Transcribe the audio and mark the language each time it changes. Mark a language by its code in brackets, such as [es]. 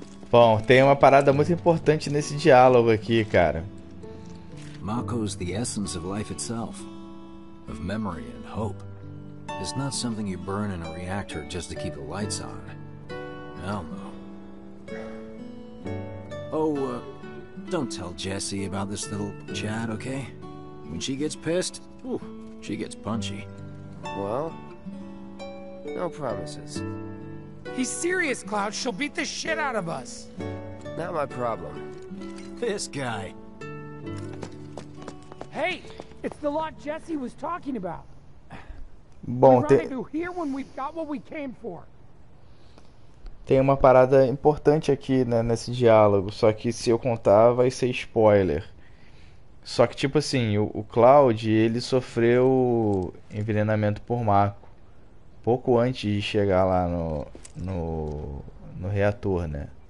[pt] Bom, tem uma parada muito importante nesse diálogo aqui, cara. [en] Mako's the essence of life itself, of memory and hope. It's not something you burn in a reactor just to keep the lights on. Hell no. Oh, don't tell Jessie about this little chat, okay? When she gets pissed, ooh, she gets punchy. Well, no promises. He's serious, Cloud. She'll beat the shit out of us. Not my problem. This guy. Hey, it's the lot Jessie was talking about. [pt] Bom, [en] we rendezvous here when we've got what we came for. [pt] Tem uma parada importante aqui, né, nesse diálogo, só que se eu contar vai ser spoiler. Só que tipo assim, o Cloud, ele sofreu envenenamento por Marco pouco antes de chegar lá no reator, né?